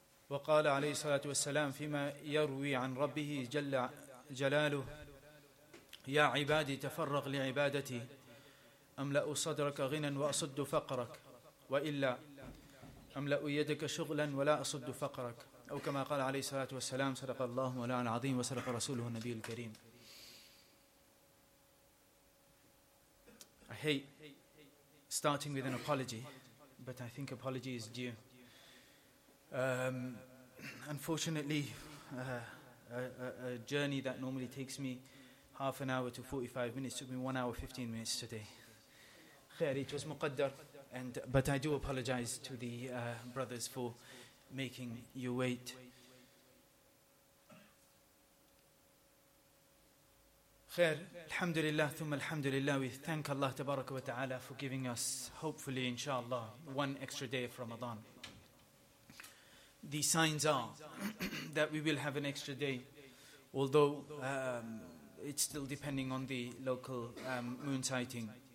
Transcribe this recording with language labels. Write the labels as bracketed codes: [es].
[ar] وقال عليه الصلاة والسلام فيما يروي عن ربه جل جلاله يا عبادي تفرغ لعبادتي أملأ صدرك غنى وأصد فقرك وإلا أملأ يدك شغلا ولا أصد فقرك أو كما قال عليه الصلاة والسلام صدق الله مولانا العظيم وصدق رسوله النبي الكريم. [en] I hate starting with an apology, but I think apology is due. Unfortunately, a journey that normally takes me half an hour to 45 minutes took me 1 hour 15 minutes today. خير, it was مقدر. But I do apologize to the brothers for making you wait. [ar] خير, الحمد لله ثم الحمد لله. [en] We thank Allah [ar] تبارك وتعالى [en] for giving us, hopefully, inshallah, one extra day of Ramadan. The signs are that we will have an extra day, although it's still depending on the local moon sighting.